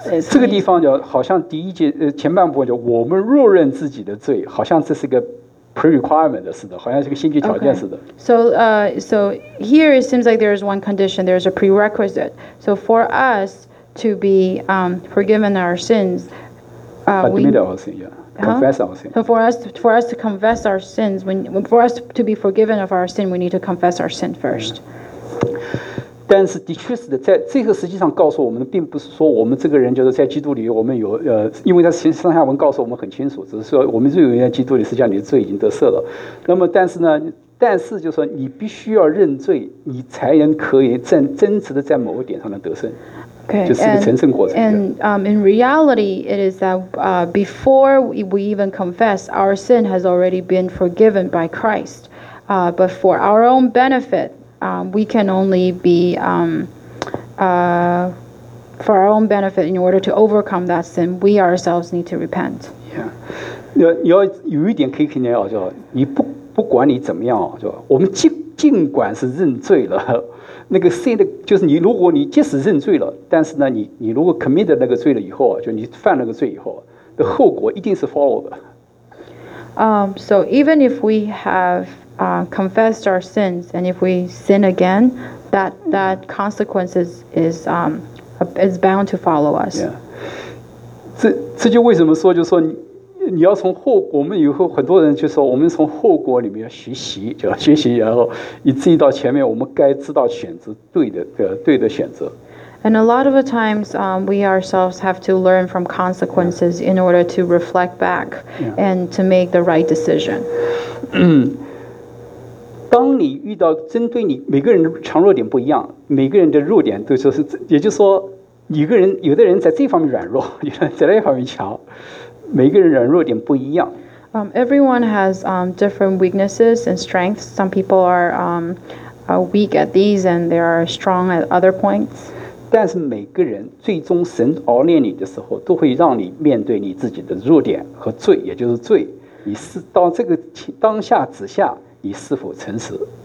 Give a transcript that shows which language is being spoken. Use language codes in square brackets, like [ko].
[zh] 这个地方就好像第一节前半部分就我们若认自己的罪，好像这是个prerequirement 的似的，好像是个先决条件似的。 [en] Okay. So, so here it seems like there is one condition. There is a prerequisite. So for us to be forgiven our sins, admit our sin, yeah, confess our sin. So for us to confess our sins, for us to be forgiven of our sin, we need to confess our sin first. [zh] 但是的确是的，在这个实际上告诉我们，并不是说我们这个人就是在基督里，我们有因为他其实上下文告诉我们很清楚，只是说我们这个人在基督里，实际上你的罪已经得赦了。那么，但是就是说你必须要认罪，你才能可以真实的在某个点上能得胜。 [en] Okay, and in reality, it is that before we even confess, our sin has already been forgiven by Christ. But for our own benefit, we can only be for our own benefit in order to overcome that sin, we ourselves need to repent. [zh] Yeah, 你要有一点可以肯定啊，就你不管你怎么样啊，就我们尽管是认罪了。那个 [en] sin [zh] 的就是你，如果你即使认罪了，但是呢你如果 [en] committed [zh] 那个罪了以后，就你犯了个罪以后，的后果一定是 [en] follow [zh] 的。 [en] So even if we have confessed our sins and if we sin again, that consequences is bound to follow us. Yeah. [zh] 这就为什么说，就是说你要从后，我们以后很多人就说，我们从后果里面要学习，就要学习，然后以至于到前面，我们该知道选择对的选择。 [en] And a lot of the times, we ourselves have to learn from consequences in order to reflect back and to make the right decision. [zh] 当你遇到针对你每个人的强弱点不一样，每个人的弱点都、就是，也就是说，一个人有的人在这方面软弱，有的人在那方面强。每个人软弱点不一样。 [en] Everyone has different weaknesses and strengths. Some people are weak at these, and they are strong at other points. [zh] 但是每个人最终神熬炼你的时候，都会让你面对你自己的弱点和罪，也就是罪。你是到这个当下之下，你是否诚实